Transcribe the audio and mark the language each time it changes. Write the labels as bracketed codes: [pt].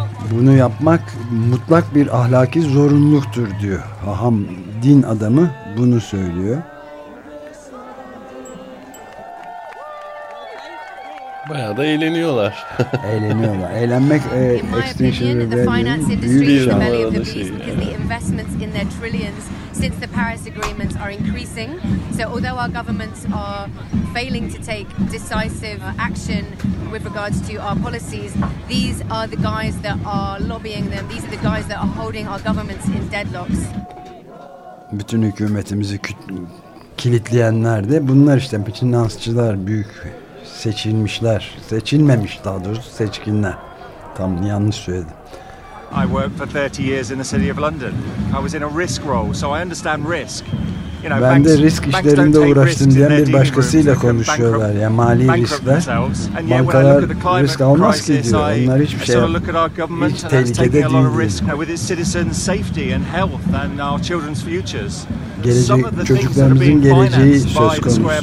[tr] Bunu yapmak mutlak bir ahlaki zorunluluktur diyor. Haham, din adamı bunu söylüyor. Bayağı da eğleniyorlar. Eğleniyorlar. Eğlenmek Extinction Rebellion'ın büyük bir şahı. [en] Since the Paris agreements are increasing, so although our governments are failing to take decisive action with regards to our policies, these are the guys that are lobbying them, these are the guys that are holding our governments in deadlocks. [tr] Bütün hükümetimizi kilitleyenler de bunlar işte, finansçılar, büyük seçilmişler, seçilmemiş daha doğrusu, seçkinler, tam yanlış söyledim. [en] I worked for 30 years in the City of London. I was in a risk role, so I understand risk. [tr] You know, ben de risk işlerinde uğraştım diyen bir başkasıyla konuşuyorlar. Yani mali riskler. Bankalar risk almaz ki diyor. Onlar hiçbir şey hiç tehlikede değil. Gelecek, çocuklarımızın geleceği söz konusu.